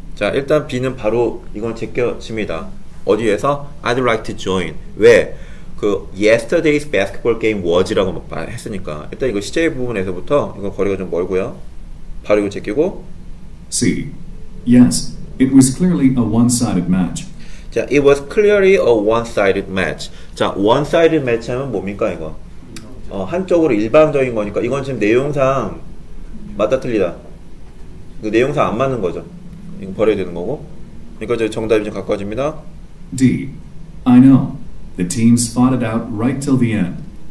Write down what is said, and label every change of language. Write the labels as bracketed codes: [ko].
[ko] 자, 일단 B는 바로 이건 제껴집니다. 어디에서? [en] I'd like to join. [ko] 왜? 그 [en] yesterday's basketball game was [ko] 라고 했으니까. 일단 이거 시제 부분에서부터 이거 거리가 좀 멀고요. 바로 이거 제끼고. [en] C. Yes, it was clearly a one-sided match. 자, it was clearly a one-sided match. [ko] 자, one-sided match 하면 뭡니까, 이거? 한쪽으로 일방적인 거니까. 이건 지금 내용상 맞다 틀리다. 그 내용상 안 맞는 거죠. 이거 버려야 되는 거고. 그러니까 이제 정답이 좀 가까워집니다. [en] D. I know. The teams fought it out right till the end.